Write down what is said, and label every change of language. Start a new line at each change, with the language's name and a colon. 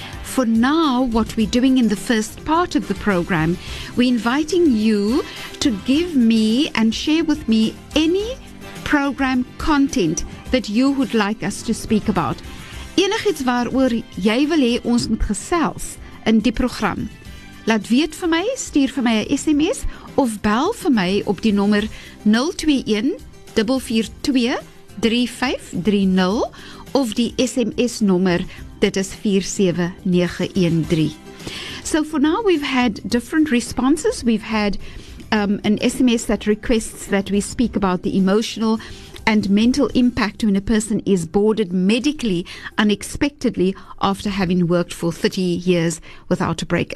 English: For now, what we're doing in the first part of the program, we're inviting you to give me and share with me any program content that you would like us to speak about.
Afrikaans: Enig iets waaroor jy wil hê ons moet gesels in die program. Laat weet vir my, stuur vir my 'n SMS of bel vir my op die nommer 021-442-3530 of die SMS nommer, dit is 47913.
English: So for now, we've had different responses. We've had an SMS that requests that we speak about the emotional and mental impact when a person is boarded medically unexpectedly after having worked for 30 years without a break.